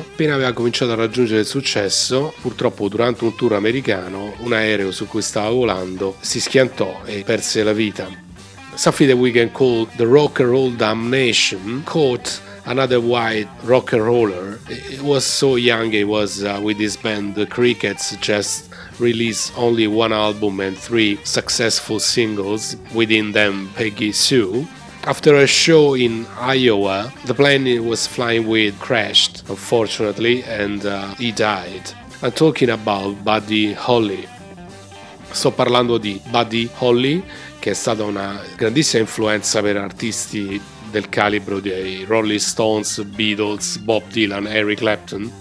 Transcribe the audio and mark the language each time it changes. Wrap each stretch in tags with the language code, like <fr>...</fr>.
<it>Appena aveva cominciato a raggiungere il successo, purtroppo durante un tour americano un aereo su cui stava volando si schiantò e perse la vita.</it> <en>Something that we can call the rock and roll damnation caught another white rock and roller. It was so young, it was with his band The Crickets, just released only one album and 3 successful singles, within them Peggy Sue. After a show in Iowa, the plane he was flying with crashed, unfortunately, and he died. I'm talking about Buddy Holly.</en> <it>Sto parlando di Buddy Holly, che è stata una grandissima influenza per artisti del calibro dei Rolling Stones, Beatles, Bob Dylan, Eric Clapton.</it>